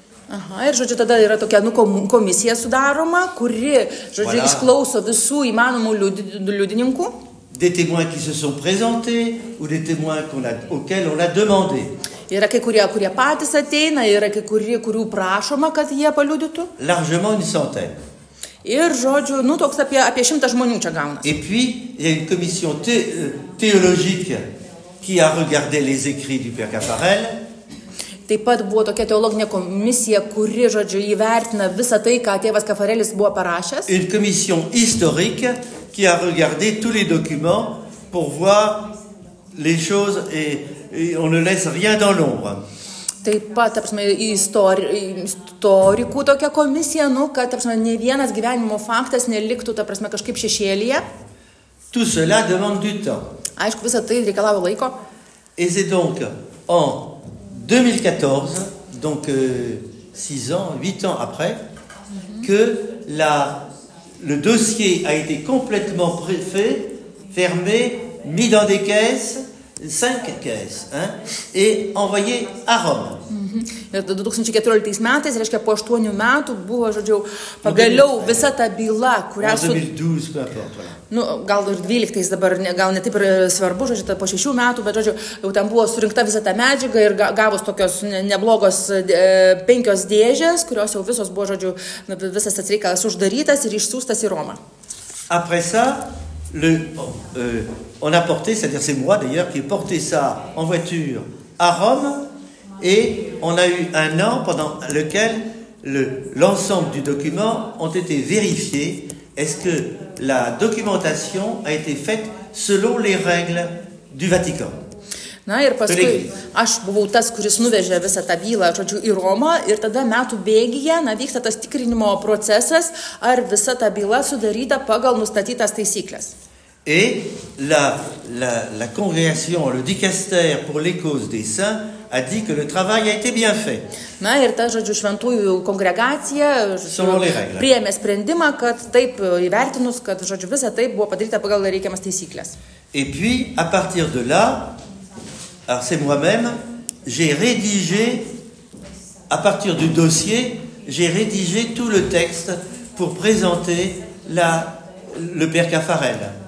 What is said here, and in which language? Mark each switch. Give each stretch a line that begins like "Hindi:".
Lithuanian: Aha, ir, žodžiu, tada yra tokia komisija sudaroma, kuri, žodžiu, voilà, išklauso visų įmanomų liudininkų.
French: Des témoins qui se sont présentés ou des témoins auxquels on a demandé.
Lithuanian: Yra kai kurie patys ateina, yra kai kurių prašoma, kad jie paliudytų.
French: Largement une centaine.
Lithuanian: Ir, žodžiu, nu, toks apie 100 žmonių čia gaunas.
French: Et puis, il y a une commission théologique qui a regardé les écrits du père Caffarel.
Lithuanian: Taip pat buvo tokia teologinė komisija, kuri, žodžiu, įvertina visą tai, ką tėvas Caffarelis buvo parašęs.
French: Une commission historique qui a regardé tous les documents pour voir les choses et on ne laisse rien dans l'ombre.
Lithuanian: Taip pat, tarpsme, istorikų tokia komisija, nu, kad, tarpsme, ne vienas gyvenimo faktas neliktų, tarpsme, kažkaip šešėlyje.
French: Tout cela demande du temps.
Lithuanian: Aišku, visą tai reikalavo laiko.
French: Et c'est donc en 2014, donc 6 ans, 8 ans après, que le dossier a été complètement préfait, fermé, mis dans des caisses, 5 caisses, hein, et envoyé à Rome.
Lithuanian: 2014 metais, reiškia, po 8 metų buvo, žodžiu, pagaliau visa ta byla, kurią su... 2012, pardon. Nu, gal ir 12 dabar, gal ne taip ir svarbu, žodžiu, po 6 metų, bet, žodžiu, jau ten buvo surinkta visa ta medžiaga ir gavus tokios neblogos 5 dėžės, kurios jau visos buvo, žodžiu, visas tas reikalas uždarytas ir išsiųstas į Romą.
French: Après ça, le, on a porté, c'est-à-dire c'est moi d'ailleurs qui ai porté ça en voiture à Rome, et on a eu un an pendant lequel le, l'ensemble du document ont été vérifiés. Est-ce que la documentation a été faite selon les règles du Vatican?
Lithuanian: Na, ir paskui aš buvau tas, kuris nuvežė visą tą bylą, žodžiu, į Romą, ir tada metų bėgyje, na, vyksta tas tikrinimo procesas, ar visa ta byla sudaryta pagal nustatytas taisyklės.
French: Et la, la, la congrégation, le dicaster pour les causes des saints, a dit que le travail a été bien fait.
Lithuanian: Na, ir ta, žodžiu, šventųjų kongregacija priėmė sprendimą, kad taip įvertinus, kad, žodžiu, visa tai buvo padaryta pagal reikiamas taisyklės.
French: Et puis, à partir de là, alors c'est moi-même, j'ai rédigé, à partir du dossier, j'ai rédigé tout le texte pour présenter la, le Père Caffarel.